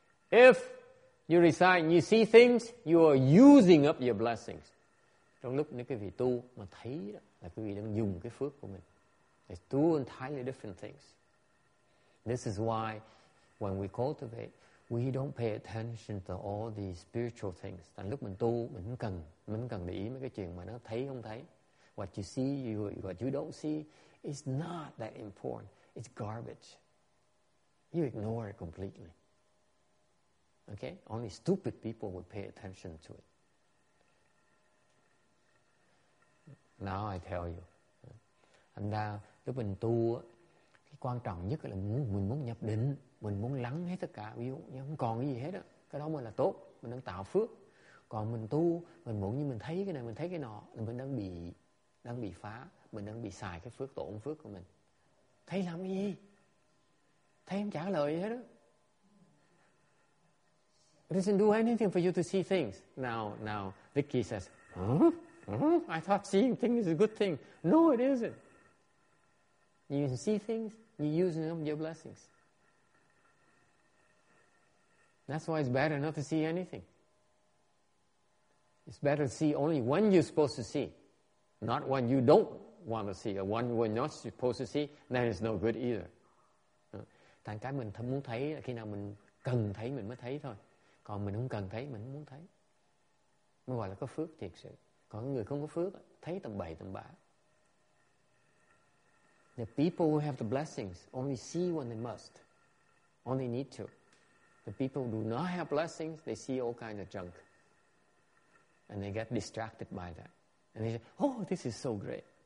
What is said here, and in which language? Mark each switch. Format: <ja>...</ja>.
<en>If you recite, you see things, you are using up your blessings.</en> <vi>Trong lúc nếu quý vị tu mà thấy đó, là quý vị đang dùng cái phước của mình.</vi> <en>It's two entirely different things. This is why when we cultivate, we don't pay attention to all the spiritual things.</en> <vi>Tại lúc mình tu, mình cần để ý mấy cái chuyện mà nó thấy không thấy.</vi> <en>What you see, what you don't see, is not that important. It's garbage. You ignore it completely. Okay? Only stupid people would pay attention to it. Now I tell you.</en> <vi>Thành ra, lúc mình tu, cái quan trọng nhất là mình muốn nhập định. Mình muốn lắng hết tất cả, ví dụ như không còn cái gì hết á, cái đó mới là tốt, mình đang tạo phước. Còn mình tu, mình muốn như mình thấy cái này, mình thấy cái nọ, mình đang bị phá, mình đang bị xài cái phước, tổn phước của mình. Thấy làm cái gì? Thấy không trả lời gì hết á.</vi> <en>It doesn't do anything for you to see things. Now, Vicky says, I thought seeing things is a good thing. No, it isn't. You see things, you use them your blessings. That's why it's better not to see anything. It's better to see only when you're supposed to see, not when you don't want to see, or when you're not supposed to see, then it's no good either.</en> <vi>Thành cái mình muốn thấy là khi nào mình cần thấy mình mới thấy thôi. Còn mình không cần thấy, mình không muốn thấy. Mới gọi là có phước thiệt sự. Còn người không có phước, thấy tầm bậy tầm bạ.</vi> <en>The people who have the blessings only see when they must, only need to. The people who do not have blessings, they see all kinds of junk. And they get distracted by that. And they say, oh, this is so great.</en>